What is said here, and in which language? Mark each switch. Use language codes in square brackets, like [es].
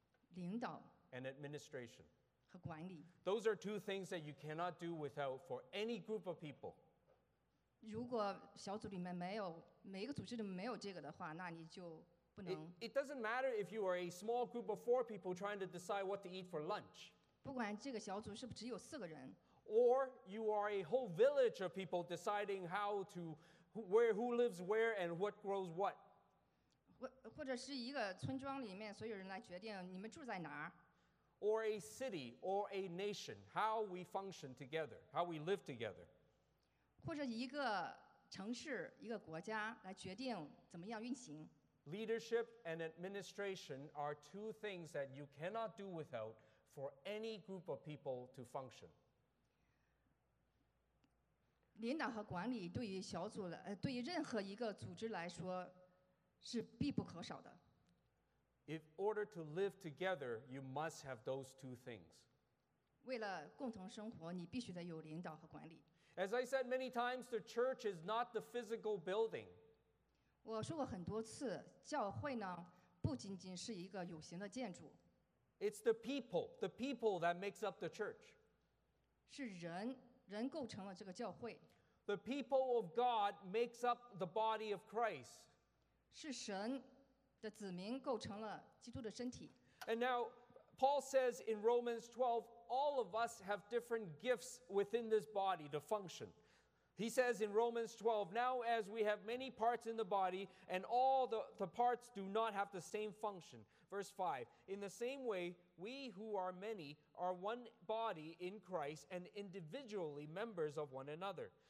[zh] 领导。 [en] And administration. [zh] 和管理。 [en] Those are two things that you cannot do without for any group of people. [zh] 如果小组里面没有，每一个组织里面没有这个的话，那你就不能。 [en] It doesn't matter if you are a small group of four people trying to decide what to eat for lunch. [zh] 不管这个小组是不是只有四个人。 [en] Or you are a whole village of people deciding how to, where, who lives where and what grows what. [zh] 或者是一个村庄里面所有人来决定你们住在哪儿。 [en] Or a city, or a nation, how we function together, how we live together. [zh] 或者一个城市，一个国家来决定怎么样运行。 [en] Leadership and administration are two things that you cannot do without for any group of people to function. [zh] 领导和管理对于小组对于任何一个组织来说是必不可少的。 [en] In order to live together, you must have those two things. [zh] 为了共同生活，你必须得有领导和管理。 [en] As I said many times, the church is not the physical building. [zh] 我说过很多次，教会呢，不仅仅是一个有形的建筑。 [en] It's the people that makes up the church. [zh] 是人，人构成了这个教会。 [en] The people of God makes up the body of Christ. [zh] 是神。的子民构成了基督的身体。 [en] And now, Paul says in Romans 12, all of us have different gifts within this body to function. He says in Romans 12, now as we have many parts in the body, and all the parts do not have the same function. Verse 5, in the same way, we who are many are one body in Christ and individually members of one another.